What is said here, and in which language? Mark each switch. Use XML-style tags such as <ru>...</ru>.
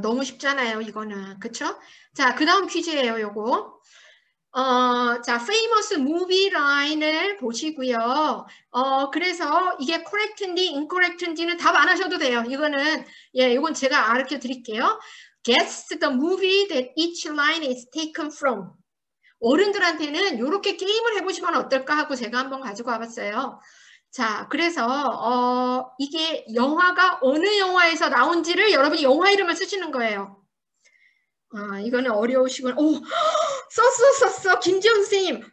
<ko>너무 쉽잖아요, 이거는 그렇죠? 자, 그다음 퀴즈예요, 요거. 자,</ko> <en>famous movie</en> <ko>라인을 보시고요. 그래서 이게 correct인지 incorrect인지는 답안 하셔도 돼요. 이거는 예, 이건 제가 가르쳐 드릴게요.</ko> <en>Guess the movie that each line is taken from.</en> <ko>어른들한테는 이렇게 게임을 해보시면 어떨까 하고 제가 한번 가지고 와봤어요. 자, 그래서 이게 영화가 어느 영화에서 나온지를 여러분이 영화 이름을 쓰시는 거예요. 이거는 어려우시군. 오, 썼어. 김지영 선생님.</ko>